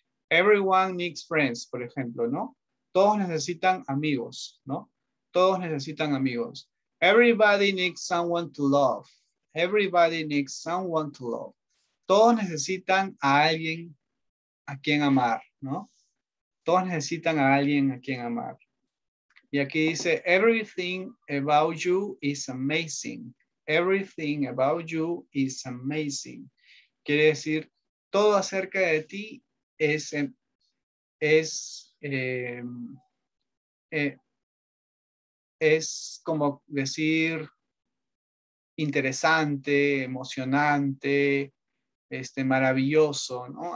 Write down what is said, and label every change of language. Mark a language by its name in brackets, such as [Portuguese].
[English] Everyone needs friends, [Spanish] por ejemplo, ¿no? Todos necesitan amigos, ¿no? Todos necesitan amigos. [English] Everybody needs someone to love. Everybody needs someone to love. [Spanish] Todos necesitan a alguien a quien amar, ¿no? Todos necesitan a alguien a quien amar. Y aquí dice, [English] everything about you is amazing. Everything about you is amazing. [Spanish] Quiere decir, todo acerca de ti es como decir interesante, emocionante, maravilloso, ¿no?